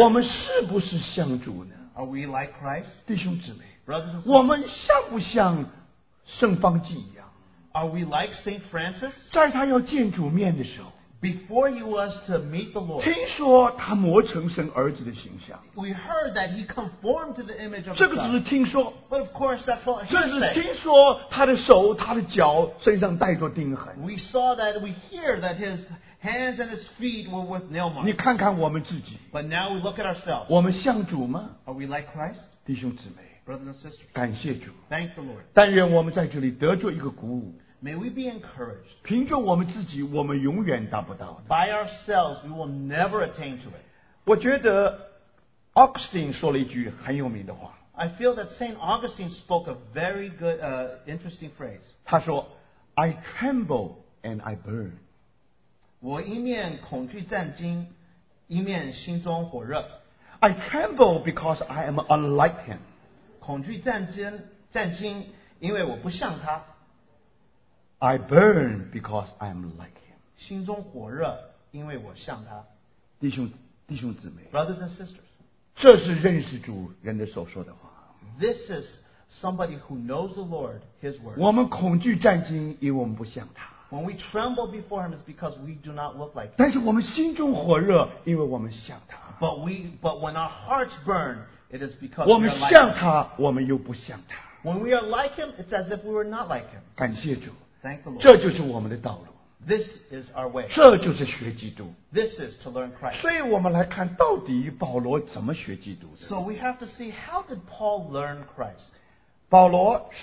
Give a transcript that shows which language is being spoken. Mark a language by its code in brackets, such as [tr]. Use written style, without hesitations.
[zh] 我们是不是向主呢? [en] Are we like Christ? [zh] 弟兄姊妹, [en] brothers and sisters, [zh] 我们像不像圣方济一样? [en] Are we like St. Francis? [zh] 在他要见主面的时候, [en] before he was to meet the Lord, [zh] 听说他磨成神儿子的形象, [en] we heard that he conformed to the image of God. [zh] 这个只是听说, [en] but of course that's what he said. [zh] 这是听说他的手, 他的脚, 身上带着钉痕, [en] we saw that, we hear that his hands and his feet were with nail marks. [zh] 你看看我们自己, [en] but now we look at ourselves. [zh] 我们像主吗? [en] Are we like Christ? [zh] 弟兄姊妹, [en] brothers and sisters, [zh] 感谢主, [en] thank the Lord. [zh] 但愿我们在这里得着一个鼓舞, [en] may we be encouraged. [zh] 凭着我们自己, 我们永远达不到的。 [en] By ourselves, we will never attain to it. [zh] 我觉得 Augustine 说了一句很有名的话。 [en] I feel that St. Augustine spoke a very good, interesting phrase. [zh] 他说, [en] I tremble and I burn. [zh] 我一面恐惧战惊, 一面心中火热。 [en] I tremble because I am unlike him. [zh] 恐惧战惊, 因为我不像他。 [en] I burn because I am like him. [zh] 心中火热, 因为我像他。弟兄姊妹, [en] brothers and sisters, [zh] 这是认识主人的所说的话。 [en] This is somebody who knows the Lord, his words. [zh] 我们恐惧战惊, 因为我们不像他。 [en] When we tremble before him, it's because we do not look like him. [zh] 但是我们心中火热, 因为我们像他。 [en] But when our hearts burn, it is because [zh] 我们像他, [en] we are like him. [zh] 我们又不像他。 [en] When we are like him, it's as if we were not like him. [zh] 感谢主。 [en] Thank the Lord. [zh] 这就是我们的道路。 [en] This is our way. [zh] 这就是学基督。 [en] This is to learn Christ. [zh] 所以我们来看到底保罗怎么学基督的。 [en] So we have to see how did Paul learn Christ.